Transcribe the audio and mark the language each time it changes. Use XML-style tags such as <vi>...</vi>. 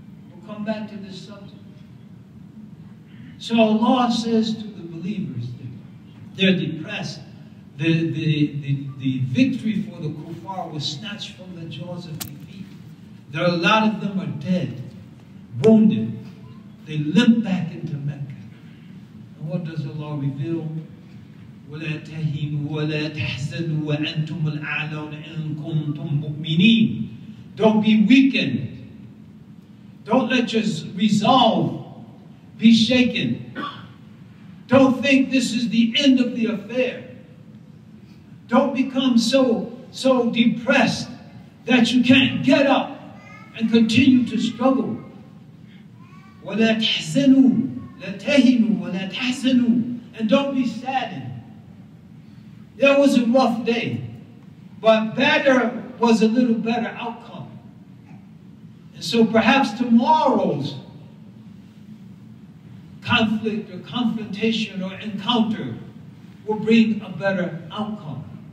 <en>We'll come back to this subject. So Allah says to the believers, they're depressed. The victory for the kuffar was snatched from the jaws of defeat. There are a lot of them are dead, wounded. They limp back into Mecca. And what does Allah reveal?</en> <ar>وَلَا تَهِنُوا وَلَا تَحْزَنُوا وَأَنْتُمُ الْأَعْلَوْنَ إِن كُنْتُمْ مُؤْمِنِينَ</ar> <en>Don't be weakened. Don't let your resolve be shaken. Don't think this is the end of the affair. Don't become so depressed that you can't get up and continue to struggle.</en> <ar>وَلَا تَحْزَنُوا لَا تَهِنُوا وَلَا تَحْزَنُوا</ar> <en>And don't be saddened. That was a rough day, but better was a little better outcome. And so perhaps tomorrow's conflict or confrontation or encounter will bring a better outcome.</en>